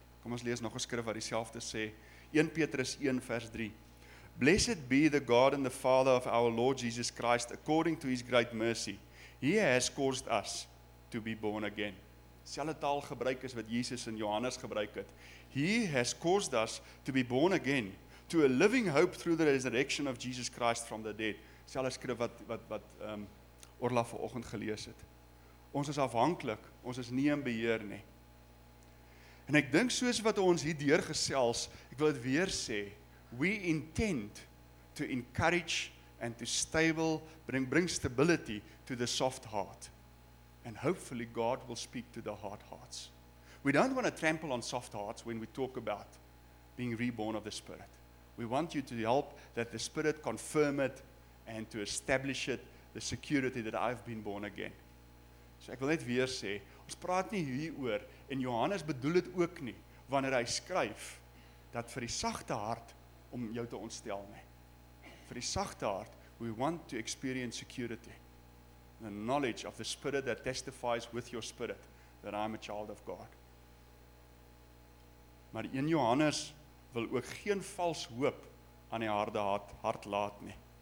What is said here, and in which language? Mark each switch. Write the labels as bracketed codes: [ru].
[af] Kom ons lees nog 'n skrif wat dieselfde sê, 1 Petrus 1 vers 3. [en] Blessed be the God and the Father of our Lord Jesus Christ, according to his great mercy, he has caused us to be born again. [af] selfe taal gebruik as wat Jesus in Johannes gebruik het. [en] He has caused us to be born again, to a living hope through the resurrection of Jesus Christ from the dead. [af] Selfe skrif wat Orla vanoggend gelees het. Ons is afhanklik, ons is nie in beheer nie. En ek dink soos wat ons hier deur gesels, ek wil dit weer sê, [en] we intend to encourage and to stable, bring stability to the soft heart. And hopefully God will speak to the hard hearts. We don't want to trample on soft hearts when we talk about being reborn of the Spirit. We want you to help that the Spirit confirm it and to establish it, the security that I've been born again. [af] So ek wil net weer sê, ons praat nie hier oor, en Johannes bedoel het ook nie, wanneer hy skryf, dat vir die sagte hart, om jou te ontstel nie. Vir die sagte hart, [en] we want to experience security. The knowledge of the Spirit that testifies with your spirit, that I am a child of God. [af] Maar een Johannes wil ook geen vals hoop aan die harde hart laat nie.